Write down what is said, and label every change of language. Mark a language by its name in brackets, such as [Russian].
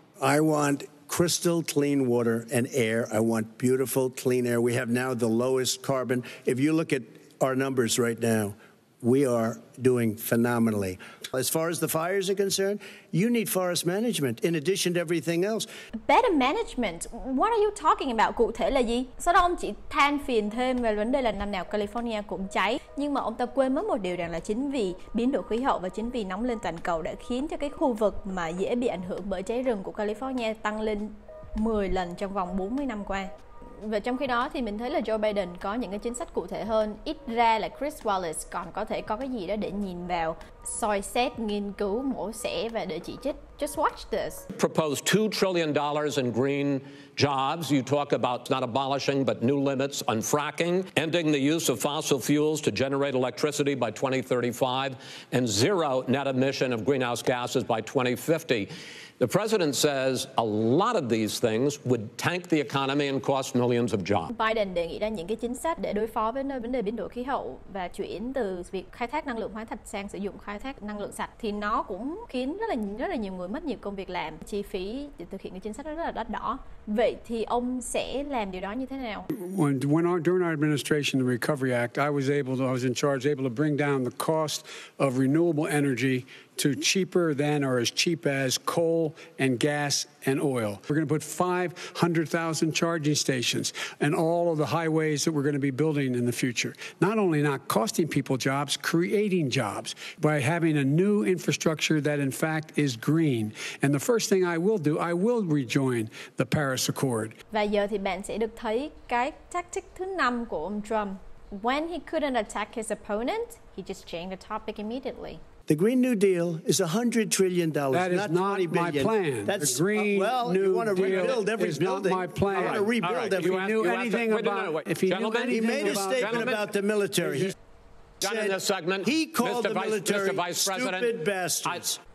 [English] I want crystal clean water and air. I want beautiful, clean air. We have now the lowest carbon. If you look at our numbers right now, we are doing phenomenally. As far as the fires are concerned, you need forest management in addition to everything else. Better management? What are you talking about? [Vietnamese] Cụ thể là gì? Sau đó ông chỉ than phiền thêm về vấn đề là năm nào California cũng cháy. Nhưng mà ông ta quên mất một điều rằng là chính vì biến đổi khí hậu và chính vì nóng lên toàn cầu đã khiến cho cái khu vực mà dễ bị ảnh hưởng bởi cháy rừng của California tăng lên 10 lần trong vòng 40 năm qua. Và trong khi đó thì mình thấy là Joe Biden có những cái chính sách cụ thể hơn. Ít ra là Chris Wallace còn có thể có cái gì đó để nhìn vào, soi xét, nghiên cứu, mổ xẻ và để chỉ trích. [English] Just watch this. Propose $2 trillion in green jobs. You talk about not abolishing but new limits on fracking, ending the use of fossil fuels to generate electricity by 2035, and zero net emission of greenhouse gases by 2050. The president says a lot of these things would tank the economy and cost millions of jobs. [Vietnamese] Biden đề nghị ra những cái chính sách để đối phó với vấn đề biến đổi khí hậu và chuyển từ việc khai thác năng lượng hóa thạch sang sử dụng khai thác năng lượng sạch thì nó cũng khiến rất là nhiều người mất nhiều công việc làm, chi phí để thực hiện cái chính sách đó rất là đắt đỏ. Vậy thì ông sẽ làm điều đó như thế nào? [English] During our administration, the Recovery Act, I was in charge, able to bring down the cost of renewable energy to cheaper than or as cheap as coal and gas and oil. We're going to put 500,000 charging stations and all of the highways that we're going to be building in the future. Not only not costing people jobs, creating jobs by having a new infrastructure that, in fact, is green. And the first thing I will do, I will rejoin the Paris Accord. [Vietnamese] Và giờ thì bạn sẽ được thấy cái tactic thứ năm của ông Trump. [English] When he couldn't attack his opponent, he just changed the topic immediately. The Green New Deal is $100 trillion, not $20 billion. That is not my plan. That's the Green New Deal is not my plan. I want to rebuild everything. If he knew anything about he made a statement about the military. He called the military stupid bastards.